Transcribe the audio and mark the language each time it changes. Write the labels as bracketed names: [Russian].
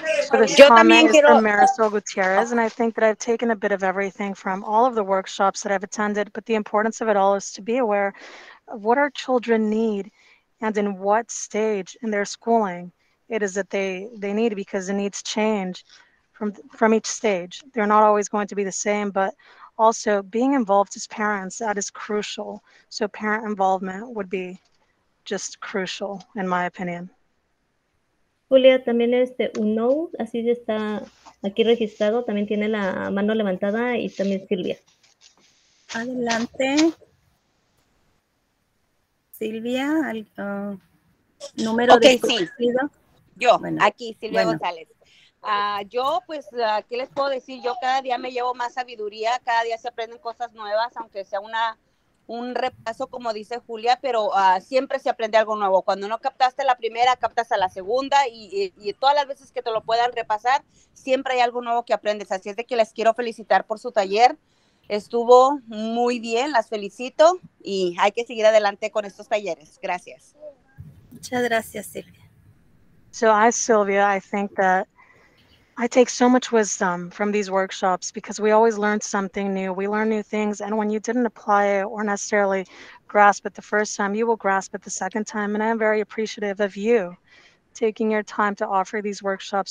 [English] So this comment is from Marisol Gutierrez, and I think that I've taken a bit of everything from all of the workshops that I've attended, but the importance of it all is to be aware of what our children need and in what stage in their schooling it is that they need, because the needs change from each stage. They're not always going to be the same, but also being involved as parents, that is crucial. So parent involvement would be just crucial, in my opinion. [Spanish] Julia, también uno, así está aquí registrado, también tiene la mano levantada, y también Silvia. Adelante. Silvia, número okay, de sí. Yo, bueno, aquí, Silvia bueno. González. Yo, pues, ¿qué les puedo decir? Yo cada día me llevo más sabiduría, cada día se aprenden cosas nuevas, aunque sea un repaso, como dice Julia, pero siempre se aprende algo nuevo. Cuando no captaste la primera, captas a la segunda, y todas las veces que te lo puedan repasar, siempre hay algo nuevo que aprendes. Así es de que les quiero felicitar por su taller. Estuvo muy bien, las felicito, y hay que seguir adelante con estos talleres. Gracias. Muchas gracias, Silvia. [English] So I, Silvia, I think that I take so much wisdom from these workshops, because we always learn something new. We learn new things, and when you didn't apply it or necessarily grasp it the first time, you will grasp it the second time. And I am very appreciative of you taking your time to offer these workshops.